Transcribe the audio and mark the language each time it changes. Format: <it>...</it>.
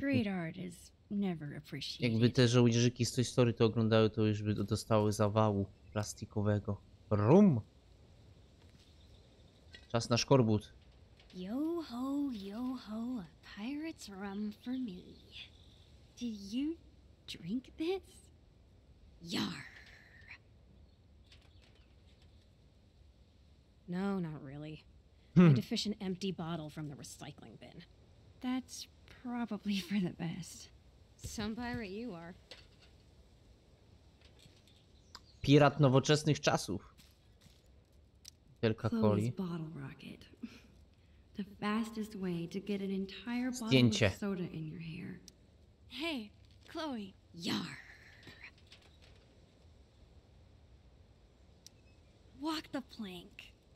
<en>Great art is never appreciated.</en> <pl>Jakby te żołnierzyki z tej historii to oglądały, to już by dostały zawału plastikowego.</pl> <en>Rum.</en> <pl>Czas na szkorbut.</pl> <en>Yo ho, yo ho, a pirate's rum for me. Did you drink this? Yar. No, not really. I defish an empty bottle from the recycling bin. That's probably for the best. Some pirate you are.</en> <pl>Pirat nowoczesnych czasów.</pl> <en>Chloe's bottle rocket. The fastest way to get an entire bottle of soda in your hair. Hey, Chloe. Yar. Walk the plank.</en>